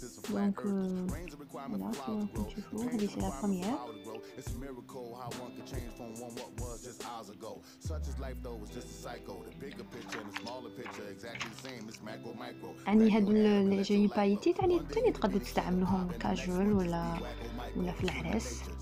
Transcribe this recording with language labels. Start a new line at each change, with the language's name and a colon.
Arabic: دونك راكم تشوفوا هادي
French: سي لا بروميير.
English: It's a miracle how one could change from one what was just hours ago. Such as life though was just a cycle. The bigger picture and the smaller picture exactly the same. It's macro micro.
Arabic: يعني هاد اللي جايين بايتي يعني تاني تقدر تستعملوهم كاجول ولا في العرس.